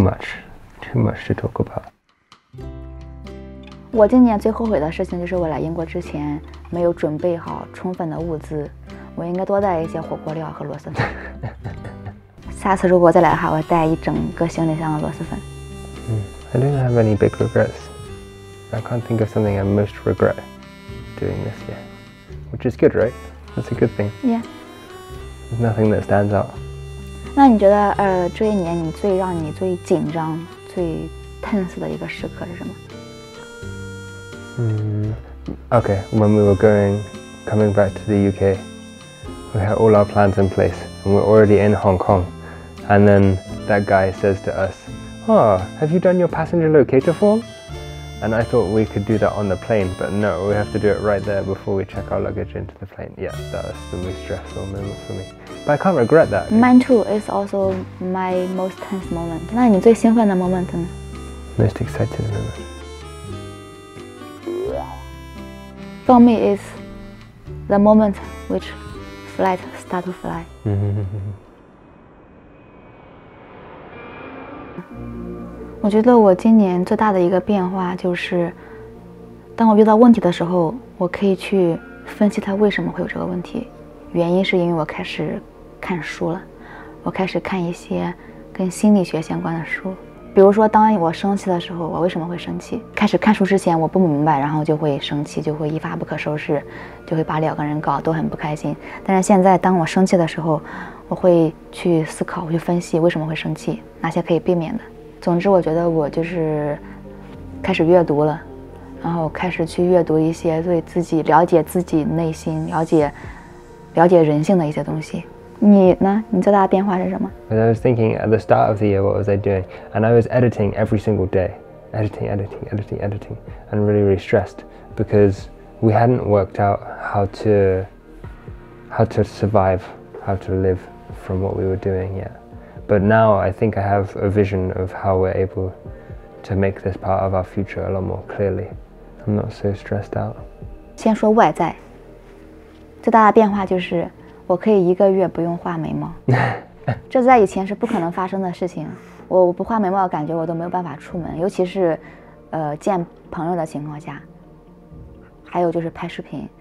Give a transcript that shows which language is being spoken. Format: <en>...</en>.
<en>much. Too much to talk about.</en> <zh>我今年最后悔的事情就是我来英国之前没有准备好充分的物资，我应该多带一些火锅料和螺蛳粉。下次如果再来的话，我带一整个行李箱的螺蛳粉。</zh> <en>I don't have any big regrets. I can't think of something I most regret doing this year, which is good, right? That's a good thing. Yeah. There's nothing that stands out.</en> <zh>那你觉得, 这一年你最让你最紧张？最tense的一个时刻是什么？</zh> <en>Okay, when we were coming back to the UK, we had all our plans in place, and we're already in Hong Kong. And then that guy says to us, oh, have you done your passenger locator form? And I thought we could do that on the plane, but no, we have to do it right there before we check our luggage into the plane. Yeah, that was the most stressful moment for me. But I can't regret that. Mine too, it's also my most tense moment.</en> <zh>那你最兴奋的 moment 呢?</zh> <en>Most excited moment. For me, it's the moment which flight start to fly.</en> <zh>我觉得我今年最大的一个变化就是当我遇到问题的时候我可以去分析它为什么会有这个问题原因是因为我开始看书了我开始看一些跟心理学相关的书比如说当我生气的时候我为什么会生气开始看书之前我不明白然后就会生气就会一发不可收拾就会把两个人搞都很不开心但是现在当我生气的时候我会去思考我去分析为什么会生气哪些可以避免的总之我觉得我就是开始阅读了然后开始去阅读一些对自己了解自己内心了解人性的一些东西你呢你最大的变化是什么</zh> <en>I was thinking at the start of the year what was I doing and I was editing every single day editing and really really stressed because we hadn't worked out how to survive how to live from what we were doing yetBut now I think I have a vision of how we're able to make this part of our future a lot more clearly. I'm not so stressed out.</en> <zh>先说外在，最大的变化就是我可以一个月不用画眉毛。这在以前是不可能发生的事情。我不画眉毛，感觉我都没有办法出门，尤其是见朋友的情况下，还有就是拍视频。</zh>